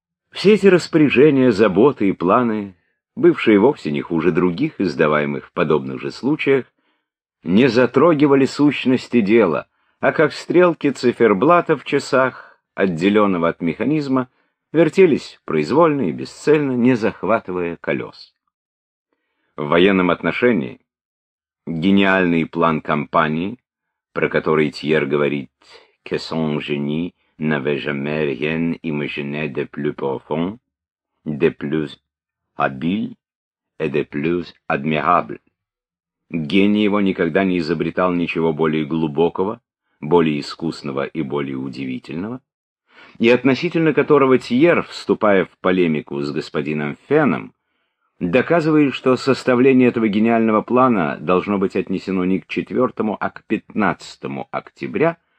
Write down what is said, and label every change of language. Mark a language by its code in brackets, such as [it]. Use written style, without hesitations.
[ru] Все эти распоряжения, заботы и планы, бывшие вовсе не хуже других, издаваемых в подобных же случаях, не затрогивали сущности дела, а как стрелки циферблата в часах, отделенного от механизма, вертелись произвольно и бесцельно, не захватывая колес. В военном отношении гениальный план кампании, про который Тьер говорит [fr] «que son génie n'avait jamais rien imaginé de plus profond, de plus habile et de plus admirable». [ru] Гений его никогда не изобретал ничего более глубокого, более искусного и более удивительного, и относительно которого Тьер, вступая в полемику с господином Феном, доказывает, что составление этого гениального плана должно быть отнесено не к 4, а к 15 октября.